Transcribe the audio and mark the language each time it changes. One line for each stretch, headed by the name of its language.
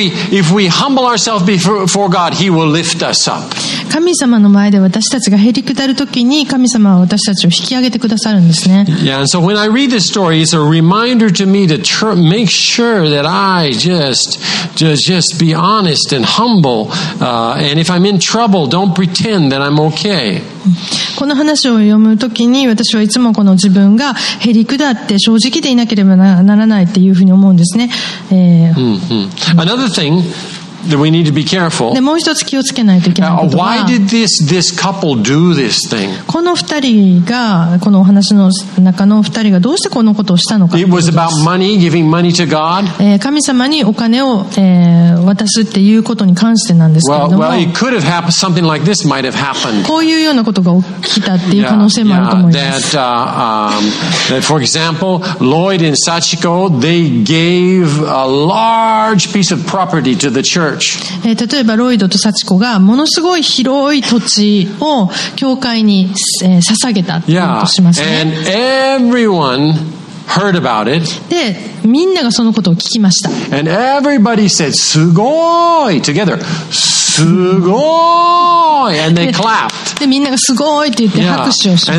English: if we humble ourselves before God, He will lift us up.
Japanese: 神様の前で私たちがへりくだる時に神様は私たちを引き上げてくださるんですね。
English: Yeah, and so when I read this story, it's a reminder to me to make sure that I just be honest and humble. And if I'm in trouble, don't pretend that I'm okay.
Japanese: この話を読むときに私はいつもこの自分がへりくだって正直でいなければならないっていうふうに思うんですね。
English: Another thing that we need to be careful.
Japanese: でもう一つ気をつけないといけないことは。
English: Why did this couple do this thing?
Japanese: この二人がこのお話の中の二人がどうしてこのことをしたのか。
English: It was about money, giving money to God.
Japanese: 神様にお金を渡すっていうことに関してなんですけれども。
English: Well, it could have happened. Something like this might have happened.
Japanese: こういうようなことが起きたっていう可能性もあると思います。
English: That for example, Lloyd and Sachiko, they gave a large piece of property to the church.
Japanese: 例えばロイドとサチコがものすごい広い土地を教会に捧げたとしますね。
English: Yeah. And everyone heard about it.
Japanese: でみんながそのことを聞きました。
English: And everybody said,
Japanese: すごい!
English: Together,
Japanese: すごい!
English: And they clapped.
Japanese: でみんながすごいって言って拍手をします。